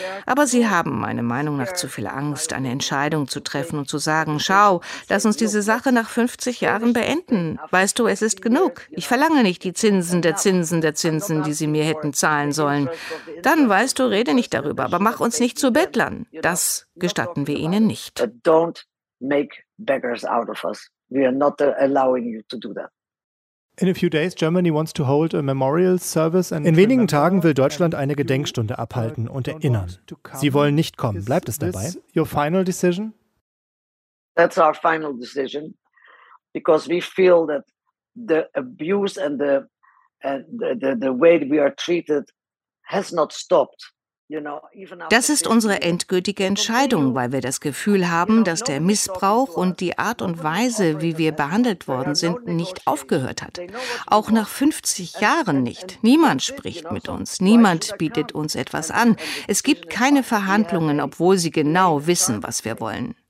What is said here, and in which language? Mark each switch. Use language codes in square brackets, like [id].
[de] Aber sie haben meiner Meinung nach zu viel Angst, eine Entscheidung zu treffen und zu sagen, schau, lass uns diese Sache nach 50 Jahren beenden. Weißt du, es ist genug. Ich verlange nicht die Zinsen der Zinsen der Zinsen, die sie mir hätten zahlen sollen. Dann, weißt du, rede nicht darüber, aber mach uns nicht zu Bettlern. Das gestatten wir ihnen nicht. [en] Don't make beggars out of us. We are not allowing you to do that. In a few days Germany wants to hold a memorial service and [de] in wenigen Tagen will Deutschland eine Gedenkstunde abhalten und erinnern. Sie wollen nicht kommen. Bleibt es dabei? [en] Your final decision? That's our final decision because we feel that the abuse and the way we are treated has not stopped. [de] Das ist unsere endgültige Entscheidung, weil wir das Gefühl haben, dass der Missbrauch und die Art und Weise, wie wir behandelt worden sind, nicht aufgehört hat. Auch nach 50 Jahren nicht. Niemand spricht mit uns. Niemand bietet uns etwas an. Es gibt keine Verhandlungen, obwohl sie genau wissen, was wir wollen.